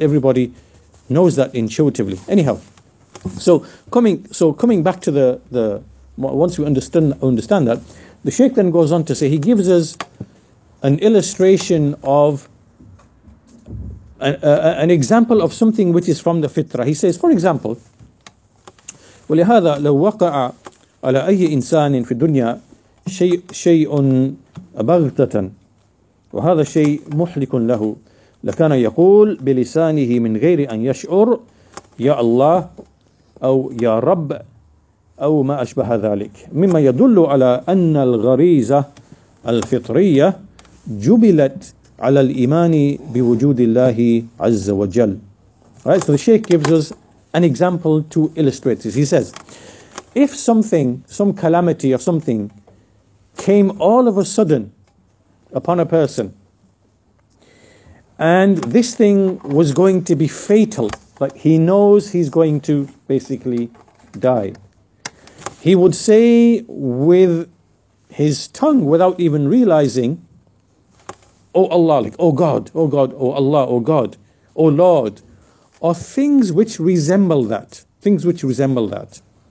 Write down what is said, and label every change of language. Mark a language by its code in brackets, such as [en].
[en] Everybody knows that intuitively. Anyhow, so coming back to the once we understand that, the Shaykh then goes on to say, he gives us an illustration of an example of something which is from the fitrah. He says, for example, [ar] ولهذا لو وقع على أي إنسان في الدنيا شيء بغتة وهذا شيء محلك له لكان يقول بلسانه من غير أن يشعر يا الله أو يا رب أو ما أشبه ذلك مما يدل على أن الغريزة الفطرية جبلت على الإيمان بوجود الله عز وجل. [en] Right, so the Shaykh gives us an example to illustrate this. He says, if something, some calamity or something, came all of a sudden upon a person, and this thing was going to be fatal, like he knows he's going to basically die, he would say with his tongue, without even realizing, oh Allah, like, oh God, oh God, oh Allah, oh God, oh Lord, or things which resemble that, things which resemble that.